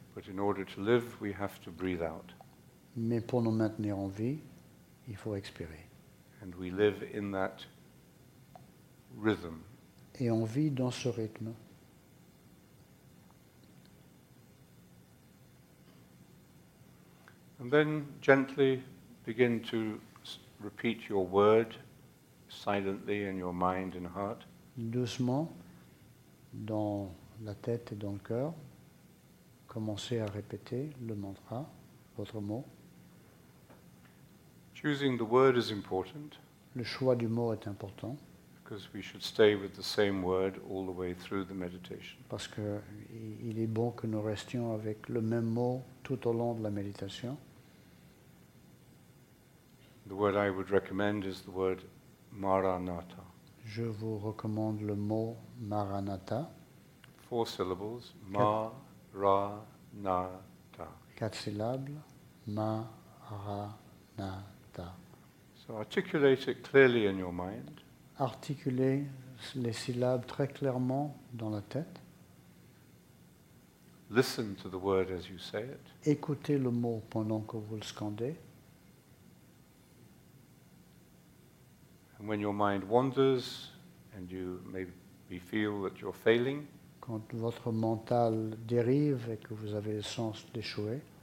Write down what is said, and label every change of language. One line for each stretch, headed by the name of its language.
English: But in order to live, we have to breathe out.
French: Mais pour nous maintenir en vie, il faut expirer.
English: And we live in that rhythm.
French: Et on vit dans ce rythme.
English: And then gently begin to repeat your word silently in your mind and heart.
French: Doucement, dans la tête et dans le cœur, commencez à répéter le mantra, votre mot.
English: Choosing the word is important.
French: Le choix du mot est important.
English: Because we should stay with the same word all the way through the meditation.
French: Parce que il est bon que nous restions avec le même mot tout au long de la méditation.
English: The word I would recommend is the word Maranatha.
French: Je vous recommande le mot Maranatha.
English: 4 syllables. Ma-ra-na-ta. 4 syllables. Ma-ra-na-ta. So articulate it clearly in your mind.
French: Articulez les syllabes très clairement dans la tête.
English: Listen to the word as you say it.
French: Écoutez le mot pendant que vous le scandez.
English: And when your mind wanders, and you maybe feel that you're failing,
French: quand votre mental dérive et que vous avez le sens d'échouer,